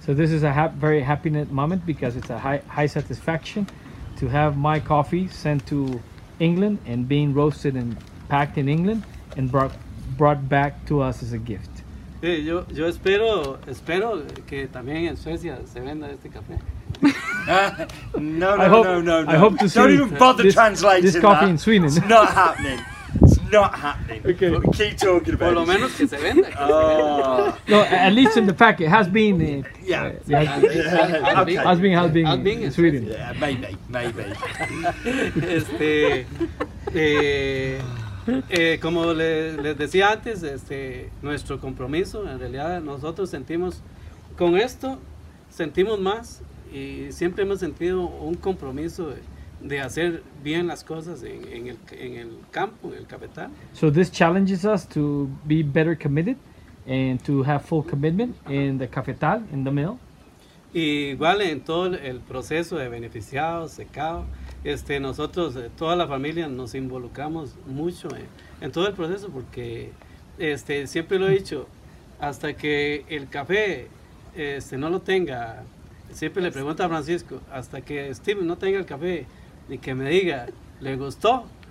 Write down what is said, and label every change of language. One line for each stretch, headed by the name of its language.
English: So this is a very happy moment because it's a high satisfaction to have my coffee sent to England and being roasted and packed in England and brought back to us as a gift.
Spanish: Sí, yo espero que también en Suecia se venda este café.
English: No. I hope to see. Don't even bother translating this coffee that. In Sweden. It's not happening. Okay. But we keep talking about it.
Spanish: Por lo menos que se venda.
English: No, at least in the packet. It has been. Has been in Sweden. Maybe.
Spanish: Como les decía antes, nuestro compromiso, en realidad nosotros sentimos, con esto sentimos más y siempre hemos sentido un compromiso de hacer bien las cosas en el campo, en el capital.
English: So this challenges us to be better committed and to have full commitment in the capital, in the mill.
Spanish: Igual en todo el proceso de beneficiado, secado, nosotros, toda la familia, nos involucramos mucho en todo el proceso, porque siempre lo he dicho, hasta que el café no lo tenga, siempre le pregunto a Francisco, hasta que Steve no tenga el café, ni que me diga, ¿le gustó?